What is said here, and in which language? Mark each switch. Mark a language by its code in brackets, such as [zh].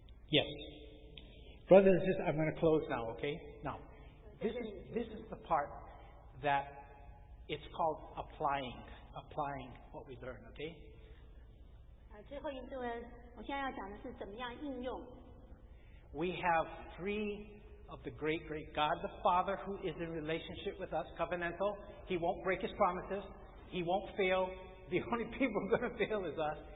[en] Yes, brothers and sisters, I'm going to close now. Okay, now this is the part that it's called applying what we learn, okay? [zh] 最后一段，我现在要讲的是怎么样应用。 [en] We have three of the great, great God, the Father, who is in relationship with us, covenantal. He won't break His promises. He won't fail. The only people going to fail is us.